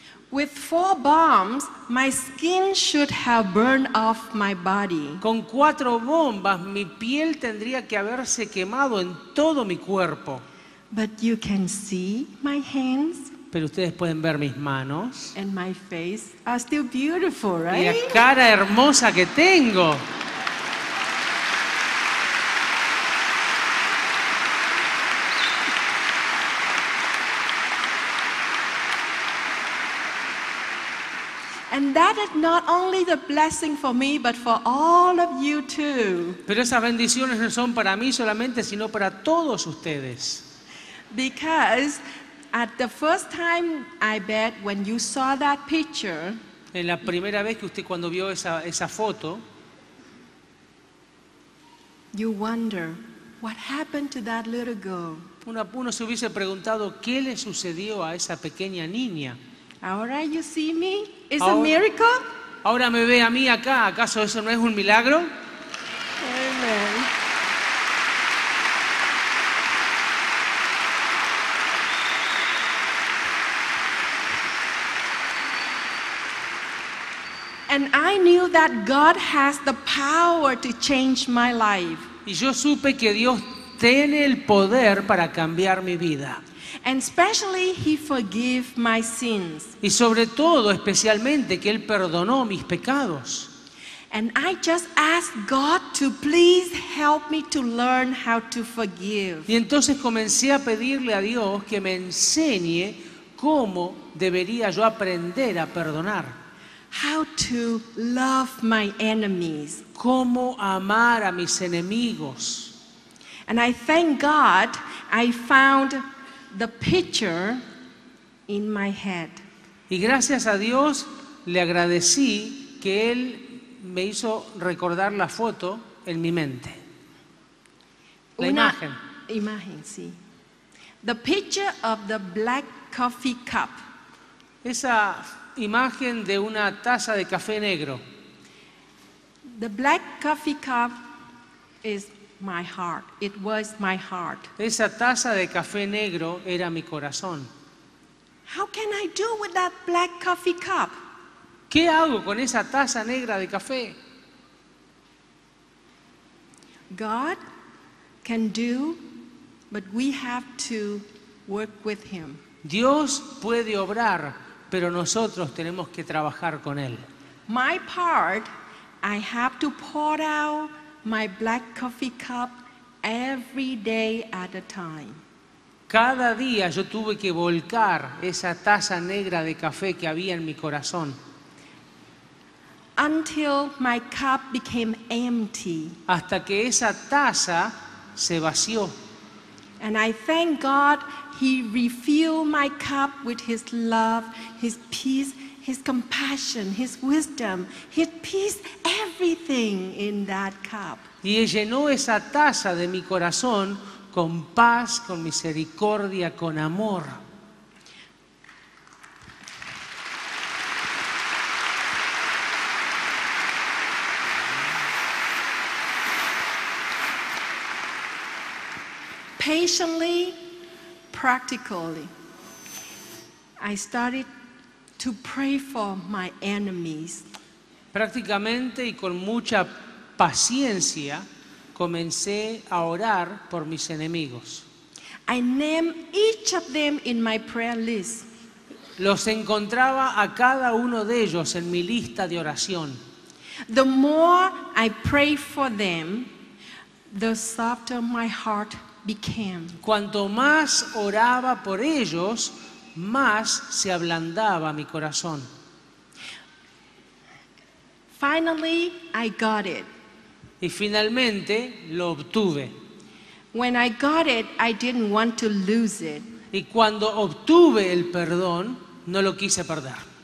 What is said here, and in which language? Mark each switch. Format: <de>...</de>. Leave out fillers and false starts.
<en>With four bombs, my skin should have burned off my body.</en> <es>Con cuatro bombas, mi piel tendría que haberse quemado en todo mi cuerpo.</es> <en>But you can see my hands.</en> <es>Pero ustedes pueden ver mis manos.</es> <en>And my face are still beautiful, right?</en> <es>Y la cara hermosa que tengo.</es> <en>And that is not only the blessing for me, but for all of you too.</en> <es>Pero esas bendiciones no son para mí solamente, sino para todos ustedes.</es> <en>Because at the first time, I bet when you saw that picture,</en> <es>en la primera vez que usted cuando vio esa foto,</es> <en>you wonder what happened to that little girl.</en> <es>Uno se hubiese preguntado qué le sucedió a esa pequeña niña. Ahora</es> <en>you see me? Is ahora, a miracle?</en> <es>Ahora me ve a mí acá. ¿Acaso eso no es un milagro?</es> <en>Amen. And I knew that God has the power to change my life.</en> <es>Y yo supe que Dios tiene el poder para cambiar mi vida.</es> <en>And especially he forgave my sins.</en> <es>Y sobre todo, especialmente, que él perdonó mis pecados.</es> <en>And I just asked God to please help me to learn how to forgive.</en> <es>Y entonces comencé a pedirle a Dios que me enseñe cómo debería yo aprender a perdonar.</es> <en>How to love my enemies.</en> <es>Cómo amar a mis enemigos.</es> <en>And I thank God I found the picture in my head.</en> <es>Y gracias a Dios le agradecí que él me hizo recordar la foto en mi mente. La imagen, sí.</es> <en>The picture of the black coffee cup.</en> <es>Esa imagen de una taza de café negro.</es> <en>The black coffee cup is my heart. It was my heart.</en> <es>Esa taza de café negro era mi corazón.</es> <en>How can I do with that black coffee cup?</en> <es>¿Qué hago con esa taza negra de café?</es> <en>God can do, but we have to work with him.</en> <es>Dios puede obrar, pero nosotros tenemos que trabajar con él.</es> <en>My part, I have to pour out my black coffee cup every day at a time.</en> <es>Cada día yo tuve que volcar esa taza negra de café que había en mi corazón.</es> <en>Until my cup became empty.</en> <es>Hasta que esa taza se vació.</es> <en>And I thank God he refilled my cup with his love, his peace, his compassion, his wisdom, his peace, everything in that cup.</en> <es>Y llenó esa taza de mi corazón con paz, con misericordia, con amor.</es> <en>Patiently, practically, I started to pray for my enemies.</en> <es>Prácticamente y con mucha paciencia comencé a orar por mis enemigos.</es> <en>I name each of them in my prayer list.</en> <es>Los encontraba a cada uno de ellos en mi lista de oración.</es> <en>The more I pray for them, the softer my heart became.</en> <es>Cuanto más oraba por ellos, más se ablandaba mi corazón.</es> <en>Finally, I got it.</en> <es>Y finalmente lo obtuve.</es> <en>When I got it, I didn't want to lose it.</en> <es>Y cuando obtuve el perdón, no lo quise perder.</es>